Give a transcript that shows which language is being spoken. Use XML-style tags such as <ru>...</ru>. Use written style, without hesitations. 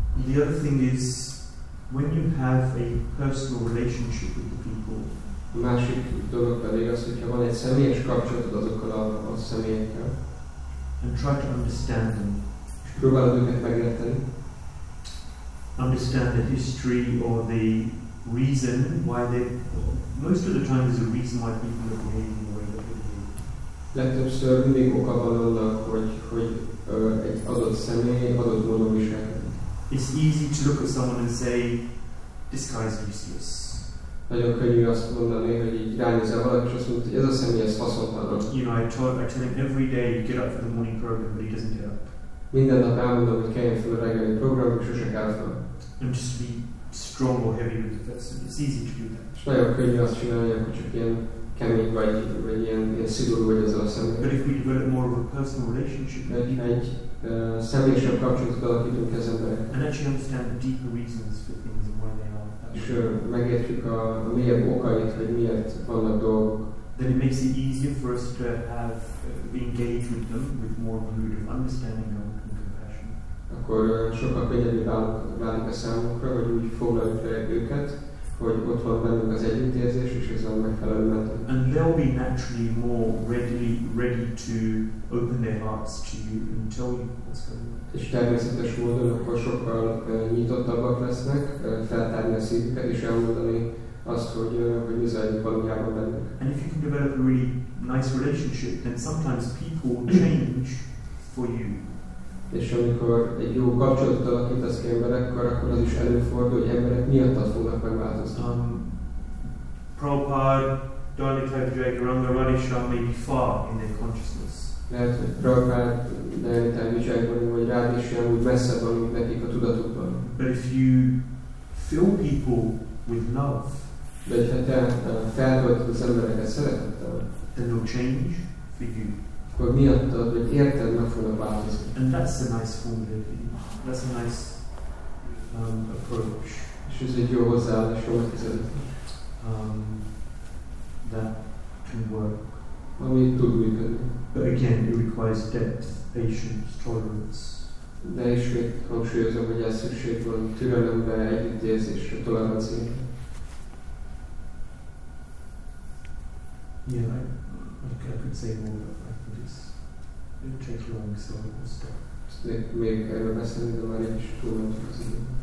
<en>The other thing is, when you have a personal relationship with the people.</en> <hu>A másik dolog pedig az, hogyha van egy személyes kapcsolatod azokkal a személyekkel.</hu> <en>And try to understand them.</en> <hu>És próbálod őket megérteni.</hu> <en>Understand the history or the reason why they. Most of the time there's a reason why people are behaving the way they behave.</en> <hu>Legtöbbször mindig oka van annak, hogy egy adott személy adott módon viselkedik.</hu> <en>It's easy to look at someone and say, this guy is useless.</en> <hu>Nagyon könnyű azt mondani, hogy így ránézel valaki, és azt mondta, hogy ez a személy, ez haszontalan.</hu> <en>You know, I tell him every day, get up for the morning program, but he doesn't get up.</en> <hu>Minden nap elmondom, hogy kelljen fel a reggeli program, és sose kell fel.</hu> <en>And just be strong or heavy with the person. It's easy to do that.</en> <hu>És nagyon könnyű azt csinálni, hogy csak ilyen kemény vagy ilyen szigorú vagy ezzel a személy.</hu> <en>But if we develop more of a personal relationship with people,</en> <hu>személyesebb kapcsolatot alakítunk az emberekkel.</hu> <en>And actually understand the deeper reasons for things and why they are.</en> <hu>És megértjük a mélyebb okait, hogy miért vannak dolgok.</hu> <en>Then it makes it easier for us to have engage with them with more root of understanding and compassion.</en> <hu>Akkor sokkal könnyebb válik a számunkra, hogy úgy foglaljuk le őket, hogy ott van bennünk az együttérzés, és ez a meg</hu> <en>And they'll be naturally more ready to open their hearts to you and tell you what's going on.</en> <hu>És természetes módon akkor sokkal nyitottabbak lesznek, feltárni a szívüket és elmondani azt, hogy mi zajlik valójában bennük.</hu> <en>And if you can develop a really nice relationship, then sometimes people change for you.</en> <hu>És amikor egy jó kapcsolatot alakítasz ki emberekkel, akkor az is előfordul, hogy emberek miattad fognak megváltozni.</hu> <en>Prabhupada, Dhyanatabha Jayakaranga, Radhe Shyam may be far in their consciousness.</en> <hu>Lehet, hogy Prabhupada, Dhyanatabha Jayakaranga, vagy Radhe Shyam úgy messze van, mint nekik a tudatukban.</hu> <en>But if you fill people with love,</en> <hu>de ha te feltöltöd az embereket szeretettel,</hu> <en>then they'll change for you.</en> <hu>Akkor miattad, hogy érted, meg fognak változni.</hu> <en>And that's a nice formulity. That's a nice approach.</en> <hu>És ez egy jó hozzáállás, jó megközelítés.</hu> <en>That can work.</en> <hu>Ami tud működni.</hu> <en>But again, it requires depth, patience, tolerance.</en> <hu>De ismét hangsúlyozom, hogy ez szükség van türelembe, együttérzésre, toleranciára.</hu> <en>Yeah, I could say more about that, but it's it takes long, so I will stop.</en> <hu>Még erről beszélni, de már is túl van az idő.</hu>